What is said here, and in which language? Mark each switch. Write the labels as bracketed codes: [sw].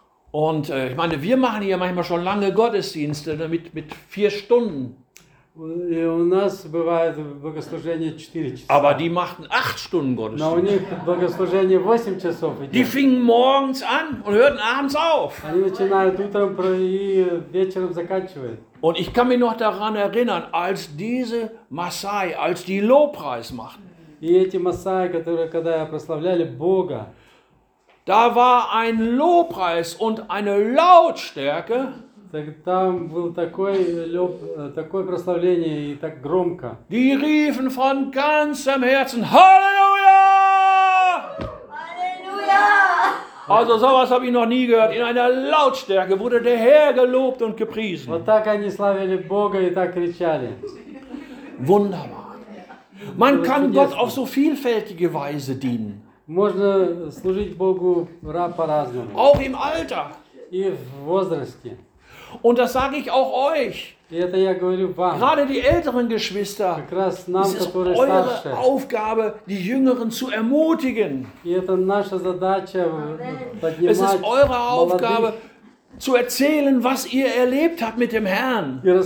[de] Und ich meine, wir machen hier manchmal schon lange Gottesdienste mit 4 Stunden. [ru] И у нас бывает богослужение 4 часа. [de] Aber die machten 8 Stunden Gottesdienst. [ru] Но у них богослужение 8 часов идет. [de] Die fingen morgens an und hörten abends auf. [ru] Они начинают утром и вечером заканчивают. [de] Und ich kann mich noch daran erinnern, als diese Masai, als die Lobpreis machten. [ru] И эти Масаи, которые когда прославляли Бога, [de] da war ein Lobpreis und eine Lautstärke. [ru] Там был такой такое прославление и так громко. [de] Die riefen von ganzem Herzen Halleluja! Halleluja! Also sowas habe ich noch nie gehört. In einer Lautstärke wurde der Herr gelobt und gepriesen. [ru] Вот так они славили Бога и так кричали. [de] Wunderbar. Man kann Gott auf so vielfältige Weise dienen. [ru] Можно служить Богу по-разному. [de] Auch im Alter. [ru] И в возрасте. [de] Und das sage ich auch euch. Gerade die älteren Geschwister, es ist eure [ru] старше. [de] Aufgabe, die Jüngeren zu ermutigen. [ru] Задача, [de] es ist eure Aufgabe, [ru] молодых. [de] Zu erzählen, was ihr erlebt habt mit dem Herrn.